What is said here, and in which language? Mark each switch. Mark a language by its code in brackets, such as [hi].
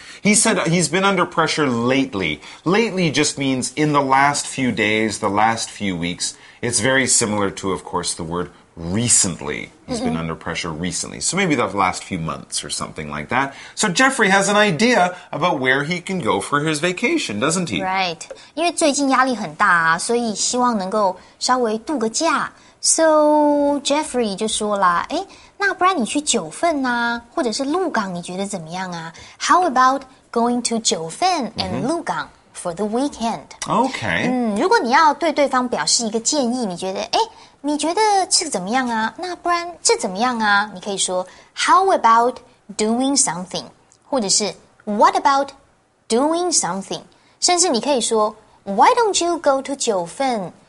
[en] He said he's been under pressure lately. Lately just means in the last few days, the last few weeks. It's very similar to, of course, the word recently. He's been under pressure recently. So maybe the last few months or something like that. So Jeffrey has an idea about where he can go for his vacation, doesn't he? Right. [zh] 因为最近压力很大，所以希望能够稍微度个假。 So, Jeffrey 就说了，诶，那不然你去九份啊，或者是鹿港，你觉得怎么样啊？ [en] How about going to 九份 and 鹿港for the weekend? Okay. [zh] 如果你要对对方表示一个建议，你觉得，诶，你觉得这怎么样啊？那不然这怎么样啊？你可以说 [en] How about doing something? [zh] 或者是 [en] What about doing something? [zh] 甚至你可以说 [en] Why don't you go to 九份?